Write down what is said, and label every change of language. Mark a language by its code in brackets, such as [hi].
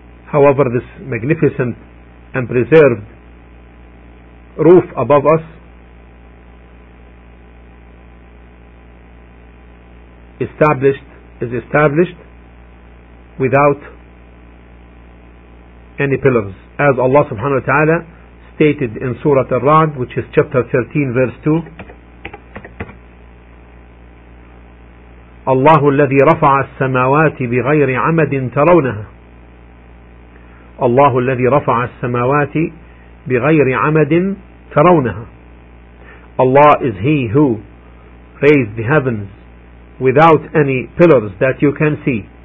[en] However, this magnificent and preserved roof above us is established without any pillars, as Allah subhanahu wa ta'ala stated in Surah Ar-Ra'd, which is chapter 13 verse 2. [ar] الله الذي رفع السماوات بغير عمد ترونها. الله الذي رفع السماوات بغير عمد ترونها. [en] Allah is He who raised the heavens without any pillars that you can see.